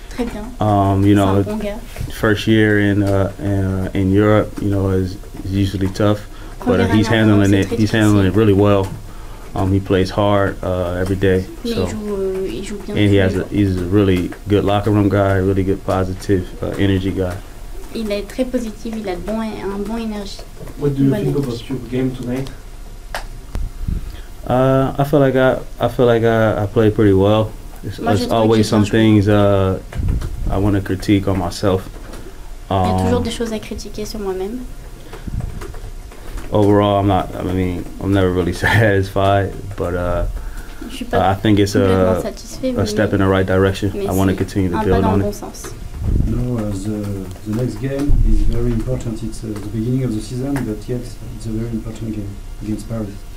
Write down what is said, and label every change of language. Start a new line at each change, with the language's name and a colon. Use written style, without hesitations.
English: You know, first year in Europe, you know, is usually tough, but he's handling it. He's handling it really well. He plays hard every day. So. And he's a really good locker room guy, really good positive energy guy.
French: Il est très positif, il a un bon énergie.
English: What do you think about your game tonight? I feel like I played pretty well. There's always some things I want to critique on myself.
French: Il y a toujours des choses à critiquer sur moi-même.
English: Overall, I'm never really satisfied, but I think it's a step in the right direction. I want to continue to build on it. The next game is very important. It's the beginning of the season, but yet it's a very important game against Paris.